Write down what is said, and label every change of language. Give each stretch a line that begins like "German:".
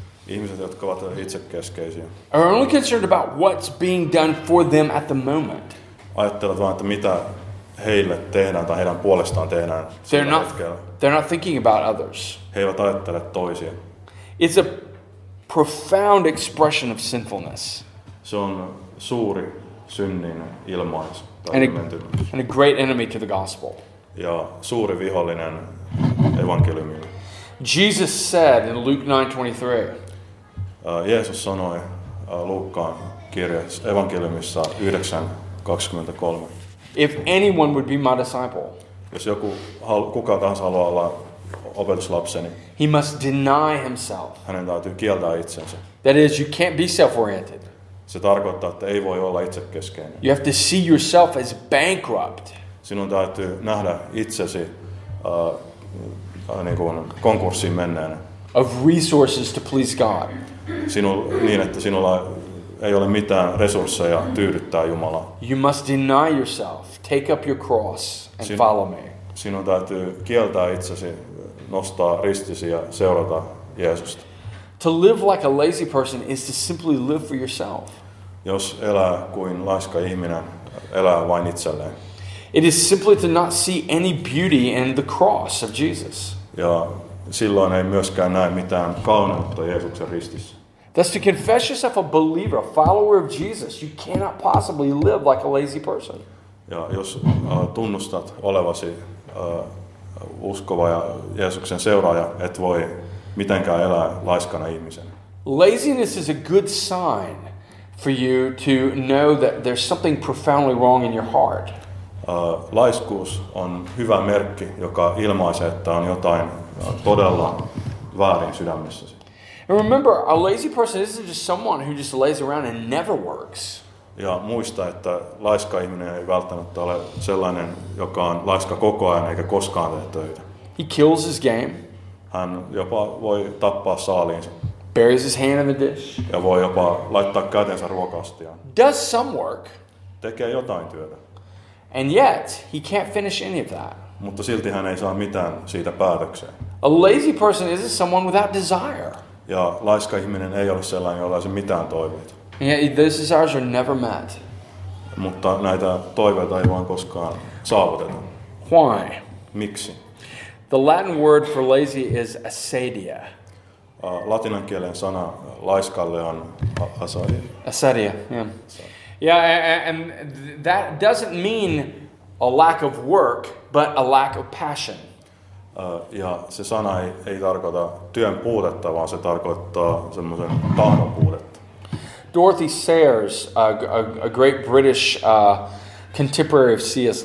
Finnish: Ihmiset, jotka ovat itsekeskeisiä.
English: Are only concerned about what's being done for them at the moment.
Finnish: Ajattelevat vain, että mitä heille tehdään tai heidän puolestaan tehdään.
English: They're not thinking about others.
Finnish: He eivät ajattele toisia.
English: It's a profound expression of sinfulness.
Finnish: Se on suuri synnin ilmaisu.
English: And a great enemy to the gospel.
Finnish: Ja suuri vihollinen evankeliumille.
English: Jesus said in Luke 9:23.
Finnish: Jeesus sanoi Luukkaan kirjassa evankeliumissa 9:23.
English: If anyone would be my disciple.
Finnish: Jos joku kuka tahansa haluaa olla opetuslapseni.
English: He must deny himself.
Finnish: Hänen täytyy kieltää itsensä.
English: That is, you can't be self-oriented.
Finnish: Se tarkoittaa, että ei voi olla itsekeskeinen.
English: You have to see yourself as bankrupt.
Finnish: Sinun täytyy nähdä itsesi niin kuin konkurssiin menneenä.
English: Of resources to please God.
Finnish: Niin, että sinulla ei ole mitään resursseja tyydyttää Jumalaa.
English: You must deny yourself, take up your cross and follow me.
Finnish: Sinun täytyy kieltää itsesi, nostaa ristisi ja seurata Jeesusta.
English: To live like a lazy person is to simply live for yourself.
Finnish: Jos elää kuin laiska ihminen, elää vain itselleen.
English: It is simply to not see any beauty in the cross of Jesus.
Finnish: Ja silloin ei myöskään näe mitään kauneutta Jeesuksen ristissä.
English: That's to confess yourself a believer, a follower of Jesus. You cannot possibly live like a lazy person.
Finnish: Ja jos tunnustat olevasi uskova ja Jeesuksen seuraaja, et voi mitenkään elää laiskana ihmisen.
English: Laziness is a good sign for you to know that there's something profoundly wrong in your heart.
Finnish: Laiskuus on hyvä merkki, joka ilmaisee, että on jotain todella väärin sydämessäsi.
English: And remember, a lazy person isn't just someone who just lays around and never works.
Finnish: Ja muista, että laiska ihminen ei välttämättä ole sellainen, joka on laiska koko ajan eikä koskaan tee töitä.
English: He kills his game.
Finnish: Hän jopa voi tappaa saaliinsa.
English: Buries his hand in the dish.
Finnish: Ja voi jopa laittaa kätensä ruoka-astiaan.
English: Does some work.
Finnish: Tekee jotain työtä.
English: And yet, he can't finish any of that.
Finnish: Mutta silti hän ei saa mitään siitä päätökseen.
English: A lazy person isn't someone without desire.
Finnish: Ja laiska ihminen ei ole sellainen, jolla ei se mitään toiveita.
English: Yeah, those desires are never met.
Finnish: Mutta näitä toiveita ei vaan koskaan saavuteta.
English: Why?
Finnish: Miksi?
English: The Latin word for lazy is asedia.
Finnish: Latinan kielen sana laiskalle on asedia.
English: Asedia, yeah. Yeah, and that doesn't mean a lack of work, but a lack of passion.
Finnish: Ja se sana ei tarkoita työn puutetta, vaan se tarkoittaa semmoisen tahdon puutetta.
English: Dorothy Sayers, a great British contemporary of C.S.